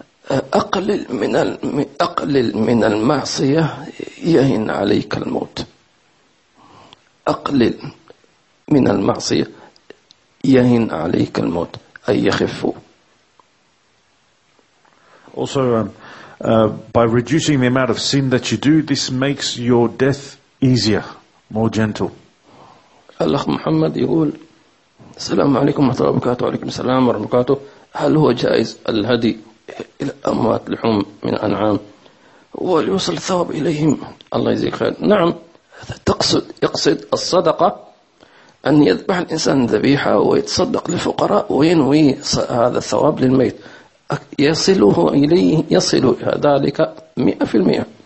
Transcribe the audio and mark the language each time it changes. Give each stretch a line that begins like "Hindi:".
Arabic: أقلل من المعصية يهين عليك الموت. أقلل من المعصية يهين عليك الموت أي يخف.
English: Also, by reducing the amount of sin that you do, this makes your death easier, more gentle.
Arabic: الأخ محمد يقول السلام عليكم ورحمة الله وبركاته. وعليكم السلام ورحمة الله وبركاته. هل هو جائز الهدي إلى أموات لحوم من أنعام وليوصل الثواب إليهم؟ الله يجزيك خير. نعم، يقصد الصدقة أن يذبح الإنسان ذبيحة ويتصدق للفقراء وينوي هذا الثواب للميت، يصله إليه، يصل ذلك 100%.